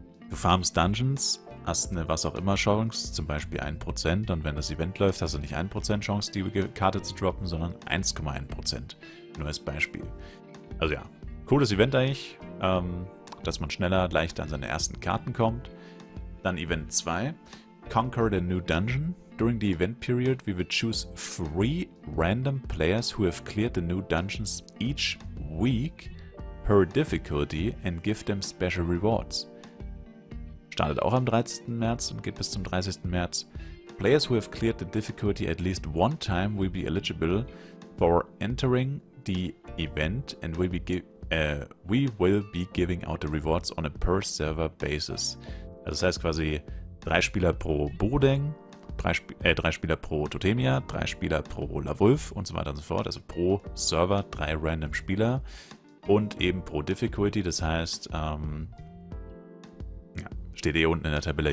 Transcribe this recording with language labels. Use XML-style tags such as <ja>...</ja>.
<de>Du farmst Dungeons, hast eine was auch immer Chance, zum Beispiel 1%, und wenn das Event läuft, hast du nicht 1% Chance, die Karte zu droppen, sondern 1,1%. Nur als Beispiel. Also ja, cooles Event eigentlich, dass man schneller, leichter an seine ersten Karten kommt. Dann Event 2, Conquer the New Dungeon.</de> <en>During the event period, we will choose 3 random players who have cleared the new dungeons each week per difficulty and give them special rewards.</en> <de>Startet auch am 13. März und geht bis zum 30. März.</de> <en>Players who have cleared the difficulty at least one time will be eligible for entering the event and will be we will be giving out the rewards on a per server basis.</en> <de>Also das heißt quasi 3 Spieler pro Bodeng, 3 Spieler pro Totemia, 3 Spieler pro LaWolf und so weiter und so fort. Also pro Server 3 random Spieler und eben pro Difficulty. Das heißt, steht eh unten in der Tabelle.</de>